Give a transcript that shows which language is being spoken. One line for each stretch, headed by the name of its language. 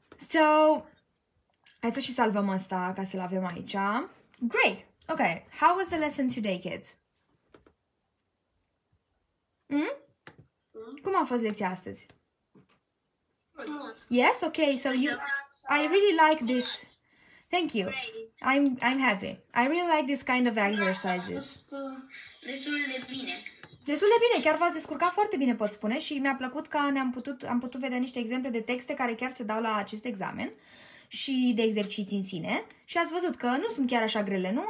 Romanian: So, hai să și salvăm asta ca să-l avem aici.
English: Great, ok. How was the lesson today, kids?
Romanian: Cum a fost lecția astăzi?
English: Yes, okay, so you, I really like this, thank you, I'm happy, I really like this kind of exercises.
Romanian: Destul de bine, chiar v-ați descurcat foarte bine, pot spune, și mi-a plăcut că am putut vedea niște exemple de texte care chiar se dau la acest examen și de exerciții în sine și ați văzut că nu sunt chiar așa grele, nu?